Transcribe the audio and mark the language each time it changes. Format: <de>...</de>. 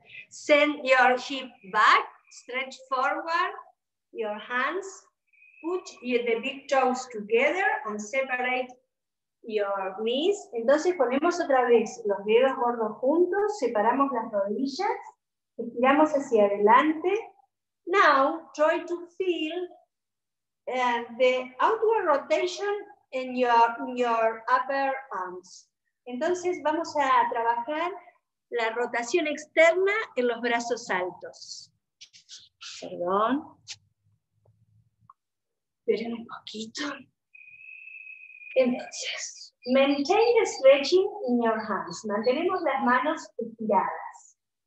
<en>Send your hip back, stretch forward, your hands, put the big toes together and separate your knees.</en> <es>Entonces ponemos otra vez los dedos gordos juntos, separamos las rodillas, estiramos hacia adelante.</es> <en>Now, try to feel the outward rotation in your upper arms.</en> <es>Entonces vamos a trabajar la rotación externa en los brazos altos. Perdón. Esperen un poquito. Entonces,</es> <en>Maintain the stretching in your hands.</en> <es>Mantenemos las manos estiradas.</es>